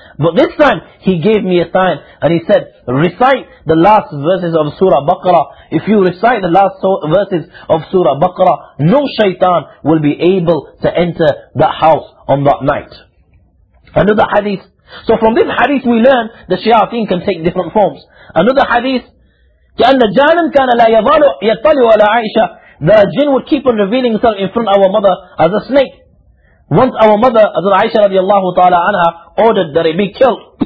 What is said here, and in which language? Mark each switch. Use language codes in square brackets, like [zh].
[en] But this time he gave me a sign and he said, recite the last verses of Surah Baqarah. If you recite the last verses of Surah Baqarah, no shaitan will be able to enter that house on that night. Another hadith. So from this hadith we learn the shayateen can take different forms. Another hadith, [ar] كَأَنَّ جَانًا كَانَ لَا يَطَلِعُ عَلَى عَيْشَةً. [en] The jinn would keep on revealing itself in front of our mother as a snake. Once our mother, Hazrat Aisha radiallahu ta'ala anha, ordered that it be killed.